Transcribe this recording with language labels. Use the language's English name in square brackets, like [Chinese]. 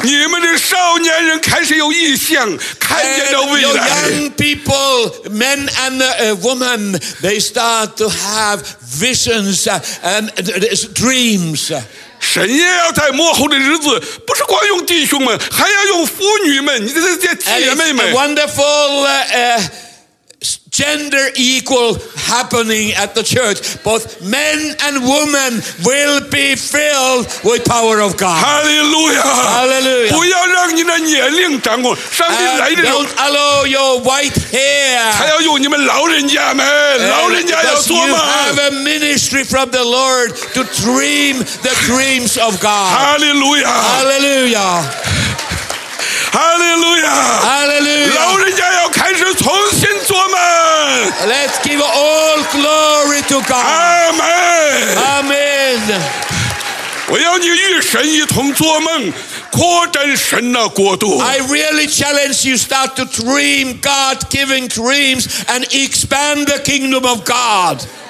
[Chinese] 你们的少年人开始有异象, [English] your young people, men and women, they start to have visions and dreams. [Chinese] 神也要在末后的日子，不是光用弟兄们，还要用妇女们，你这姐妹们。 [English] A wonderful gender equal happening at the church. Both men and women will be filled with power of God. Hallelujah. Hallelujah. [Chinese] 不要让你的年龄掌握，上帝来的时候。 [English] Don't allow your white hair. [Chinese] 还要用你们老人家们，老人家要做嘛。 [English] You have a ministry from the Lord to dream the dreams of God. Hallelujah. Hallelujah. Hallelujah. Hallelujah. [Chinese] 老人家要开始重新做梦。 [English] Let's give all glory to God. Amen. Amen. [Chinese] 我要你与神一同做梦，扩展神的国度。 [English] I really challenge you start to dream God giving dreams and expand the kingdom of God.